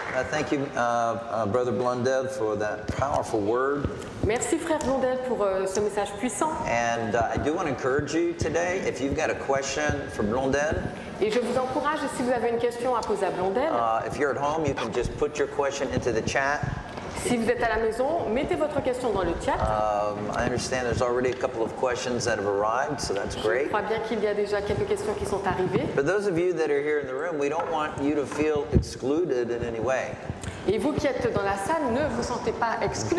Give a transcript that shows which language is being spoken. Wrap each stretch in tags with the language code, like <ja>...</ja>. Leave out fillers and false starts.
<en>Thank you, Brother Blundell, for that powerful word.</en> <fr>Merci, Frère Blundell, pour ce message puissant.</fr> <en>And I do want to encourage you today, if you've got a question for Blundell.</en> <fr>Et je vous encourage, si vous avez une question à poser à Blundell.</fr> <en>If you're at home, you can just put your question into the chat.</en> <fr>Si vous êtes à la maison, mettez votre question dans le chat.</fr> <en>I understand there's already a couple of questions that have arrived, so that's great.</en> <fr>Je crois bien qu'il y a déjà quelques questions qui sont arrivées.</fr> <en>But those of you that are here in the room, we don't want you to feel excluded in any way.</en> <fr>Et vous qui êtes dans la salle, ne vous sentez pas exclu.</fr>